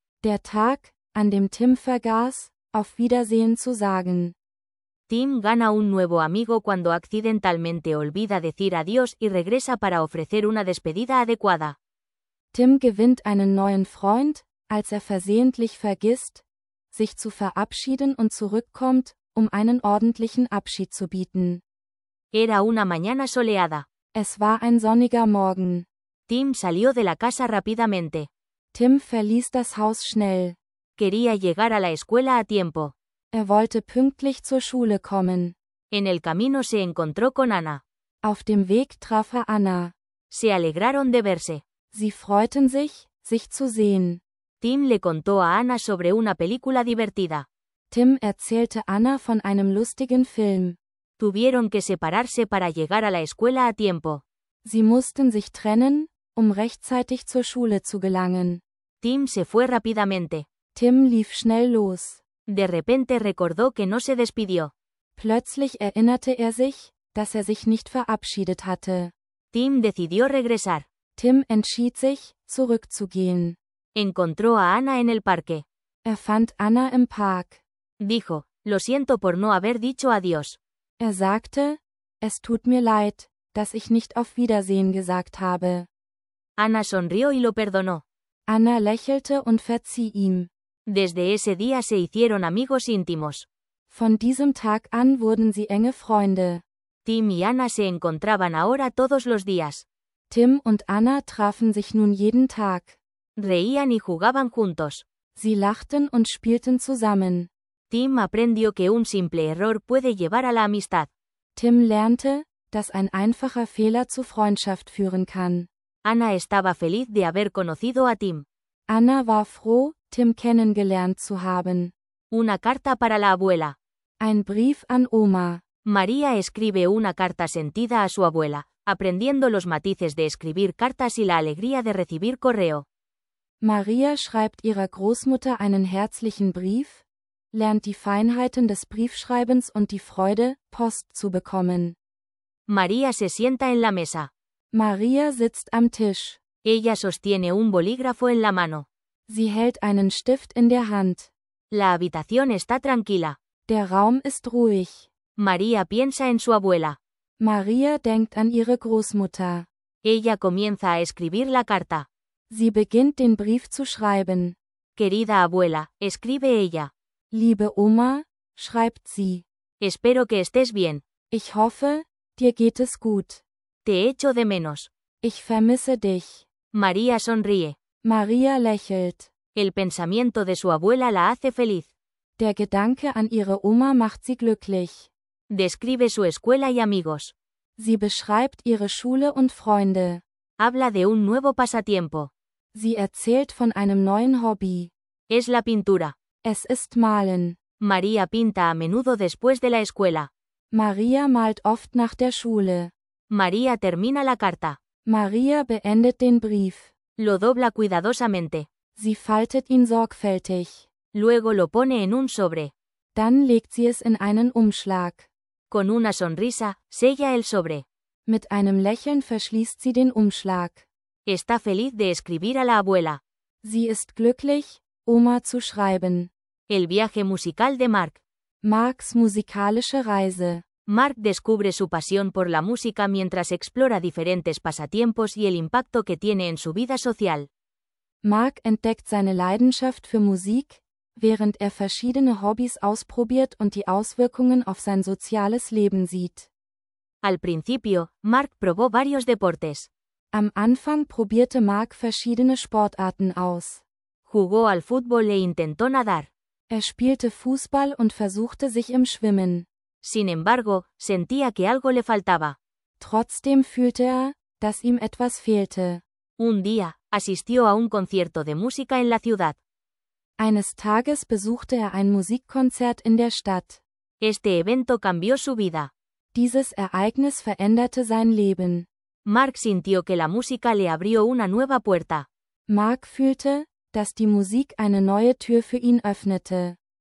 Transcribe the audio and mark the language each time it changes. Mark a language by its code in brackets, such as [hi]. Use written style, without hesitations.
[de] Der Tag, an dem Tim vergaß, auf Wiedersehen zu sagen. [es] Tim gana un nuevo amigo cuando accidentalmente olvida decir adiós y regresa para ofrecer una despedida adecuada. [de] Tim gewinnt einen neuen Freund, als er versehentlich vergisst, sich zu verabschieden und zurückkommt, um einen ordentlichen Abschied zu bieten. [es] Era una mañana soleada. [de] Es war ein sonniger Morgen. [es] Tim salió de la casa rápidamente. [de] Tim verließ das Haus schnell. [es] Quería llegar a la escuela a tiempo. [de] Er wollte pünktlich zur Schule kommen. [es] En el camino se encontró con Ana. [de] Auf dem Weg traf er Anna. [es] Se alegraron de verse. [de] Sie freuten sich, sich zu sehen. [es] Tim le contó a Ana sobre una película divertida. [de] Tim erzählte Anna von einem lustigen Film. [es] Tuvieron que separarse para llegar a la escuela a tiempo. [de] Sie mussten sich trennen, um rechtzeitig zur Schule zu gelangen. [es] Tim se fue rápidamente. [de] Tim lief schnell los. [es] De repente recordó que no se despidió. [de] Plötzlich erinnerte er sich, dass er sich nicht verabschiedet hatte. [es] Tim decidió regresar. [de] Tim entschied sich, zurückzugehen. [es] Encontró a Ana en el parque. [de] Er fand Anna im Park. [es] Dijo, lo siento por no haber dicho adiós. [de] Er sagte, es tut mir leid, dass ich nicht auf Wiedersehen gesagt habe. [es] Ana sonrió y lo perdonó. [de] Ana lächelte und verzieh ihm. [es] Desde ese día se hicieron amigos íntimos. [de] Von diesem Tag an wurden sie enge Freunde. [es] Tim y Ana se encontraban ahora todos los días. [de] Tim und Anna trafen sich nun jeden Tag. [es] Reían y jugaban juntos. [de] Sie lachten und spielten zusammen. [es] Tim aprendió que un simple error puede llevar a la amistad. [de] Tim lernte, dass ein einfacher Fehler zu Freundschaft führen kann. [es] Ana estaba feliz de haber conocido a Tim. [de] Ana war froh, Tim kennengelernt zu haben. [es] Una carta para la abuela. [de] Ein Brief an Oma. [es] María escribe una carta sentida a su abuela, aprendiendo los matices de escribir cartas y la alegría de recibir correo. [de] María schreibt ihrer Großmutter einen herzlichen Brief, lernt die Feinheiten des Briefschreibens und die Freude, Post zu bekommen. [es] María se sienta en la mesa. [de] María sitzt am Tisch. [es] Ella sostiene un bolígrafo en la mano. [de] Sie hält einen Stift in der Hand. [es] La habitación está tranquila. [de] Der Raum ist ruhig. [es] María piensa en su abuela. [de] María denkt an ihre Großmutter. [es] Ella comienza a escribir la carta. [de] Sie beginnt den Brief zu schreiben. [es] Querida abuela, escribe ella. [de] Liebe Oma, schreibt sie. [es] Espero que estés bien. [de] Ich hoffe, dir geht es gut. [es] Te echo de menos. [de] Ich vermisse dich. [es] María sonríe. [de] María lächelt. [es] El pensamiento de su abuela la hace feliz. [de] Der Gedanke an ihre Oma macht sie glücklich. [es] Describe su escuela y amigos. [de] Sie beschreibt ihre Schule und Freunde. [es] Habla de un nuevo pasatiempo. [de] Sie erzählt von einem neuen Hobby. [es] Es la pintura. [de] Es ist Malen. [es] María pinta a menudo después de la escuela. [de] María malt oft nach der Schule. [es] María termina la carta. [de] María beendet den Brief. [es] Lo dobla cuidadosamente. [de] Sie faltet ihn sorgfältig. [es] Luego lo pone en un sobre. [de] Dann legt sie es in einen Umschlag. [es] Con una sonrisa, sella el sobre. [de] Mit einem Lächeln verschließt sie den Umschlag. [es] Está feliz de escribir a la abuela. [de] Sie ist glücklich, Oma zu schreiben. [es] El viaje musical de Mark. [de] Marks musikalische Reise. [es] Mark descubre su pasión por la música mientras explora diferentes pasatiempos y el impacto que tiene en su vida social. [de] Mark entdeckt seine Leidenschaft für Musik, während er verschiedene Hobbys ausprobiert und die Auswirkungen auf sein soziales Leben sieht. [es] Al principio, Mark probó varios deportes. [de] Am Anfang probierte Mark verschiedene Sportarten aus. [es] Jugó al fútbol e intentó nadar. [de] Er spielte Fußball und versuchte sich im Schwimmen. [es] Sin embargo, sentía que algo le faltaba. [de] Trotzdem fühlte er, dass ihm etwas fehlte. [es] Un día, asistió a un concierto de música en la ciudad. [de] Eines Tages besuchte er ein Musikkonzert in der Stadt. [es] Este evento cambió su vida. [de] Dieses Ereignis veränderte sein Leben. [es] Mark sintió que la música le abrió una nueva puerta. [de] Mark fühlte, dass die Musik eine neue Tür für ihn öffnete.